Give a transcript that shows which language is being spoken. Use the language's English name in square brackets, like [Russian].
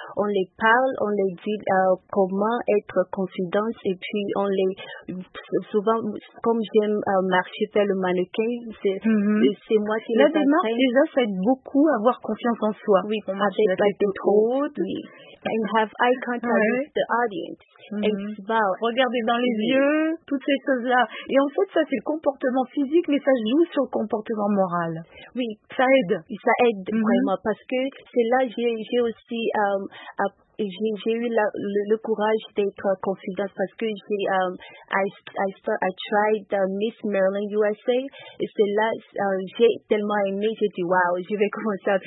[French] On les parle, on les dit comment être confidente et puis on les... Souvent, comme j'aime marcher vers le mannequin, c'est moi qui les démarche. Déjà, ça aide beaucoup à avoir confiance en soi. Oui, on marche avec les autres. Oui. [English] And have eye contact with the audience. Mm-hmm. [French] Regardez dans les yeux, toutes ces choses-là. Et en fait, ça, c'est le comportement physique, mais ça joue sur le comportement moral. Oui, ça aide. Ça aide vraiment, parce que c'est là que j'ai aussi... J'ai eu le courage d'être confidente parce que j'ai tried Miss Maryland USA et c'est là j'ai tellement aimé, j'ai dit wow, je vais commencer.